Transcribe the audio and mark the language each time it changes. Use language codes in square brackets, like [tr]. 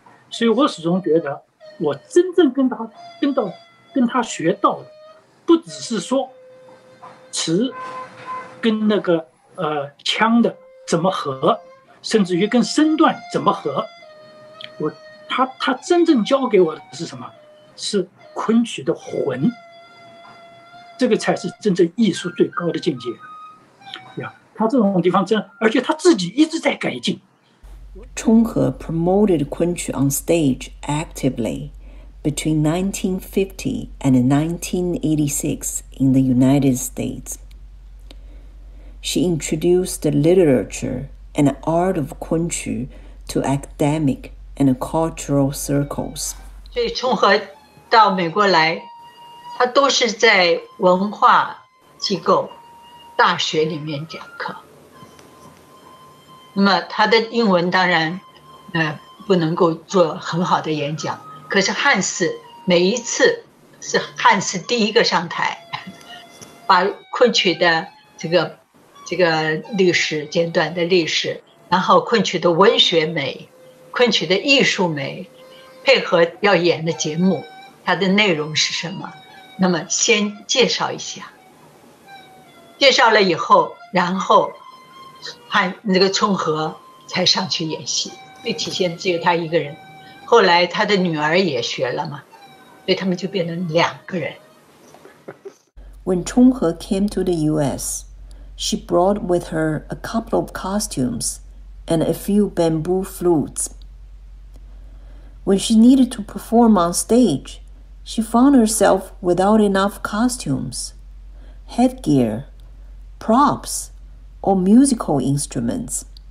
[zh] 所以我始终觉得，我真正跟他学到的，不只是说词跟那个腔的怎么合，甚至于跟身段怎么合，他真正教给我的是什么？是昆曲的魂，这个才是真正艺术最高的境界呀。他这种地方真，而且他自己一直在改进。 [en] 冲和 promoted 昆曲 on stage actively between 1950 and 1986 in the United States. She introduced the literature and art of 昆曲 to academic and cultural circles. [zh] 所以冲和到美国来，他都是在文化机构、大学里面讲课。那么他的英文当然，不能够做很好的演讲。可是汉斯每一次是汉斯第一个上台，把昆曲的这个历史简短的历史，然后昆曲的文学美、昆曲的艺术美，配合要演的节目，它的内容是什么？那么先介绍一下，介绍了以后，然后汉那个春和才上去演戏，最起先只有他一个人。后来他的女儿也学了嘛，所以他们就变成两个人。 [en] When 春和 came to the U.S., she brought with her a couple of costumes and a few bamboo flutes. When she needed to perform on stage, she found herself without enough costumes, headgear, props, or musical instruments.